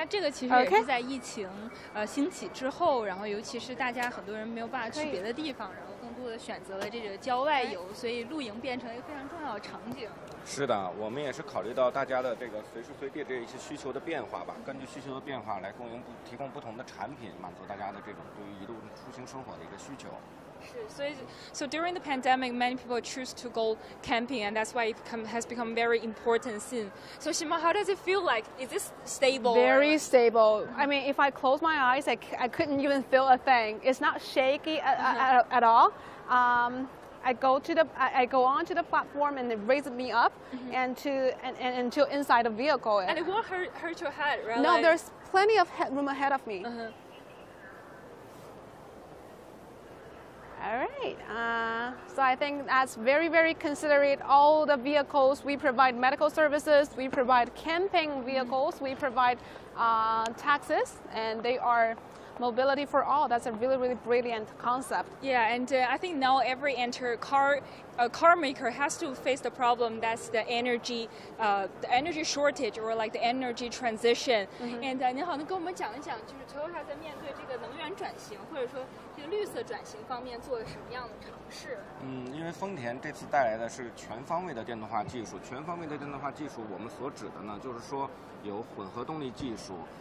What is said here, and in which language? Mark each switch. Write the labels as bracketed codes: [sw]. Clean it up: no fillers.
[zh] 现在这个其实也是在疫情兴起之后， 然后尤其是大家很多人没有办法去别的地方， 然后更多的选择了这个郊外游， 所以露营变成了一个非常重要的场景。是的，我们也是考虑到大家的这个随时随地这一些需求的变化吧， 根据需求的变化来供应提供不同的产品， 满足大家的这种对于移动出行生活的一个需求。 [en] So during the pandemic, many people choose to go camping, and that's why it has become a very important scene. So Xinmeng, how does it feel like? Is this stable? Very stable. I mean, if I close my eyes, I couldn't even feel a thing. It's not shaky at all. I go onto the platform, and it raises me up and to inside the vehicle. And it won't hurt your head, right? No, there's plenty of headroom ahead of me. Uh-huh. All right, so I think that's very, very considerate. All the vehicles, we provide medical services, we provide camping vehicles, we provide taxis, and they are mobility for all. That's a really, really brilliant concept. Yeah, and I think now every car maker has to face the problem that's the energy shortage, or like the energy transition. Mm-hmm. [zh] And 您好，能跟我们讲一讲，就是Toyota在面对这个能源转型，或者说这个绿色转型方面做了什么样的尝试？因为丰田这次带来的是全方位的电动化技术，全方位的电动化技术，我们所指的呢，就是说有混合动力技术。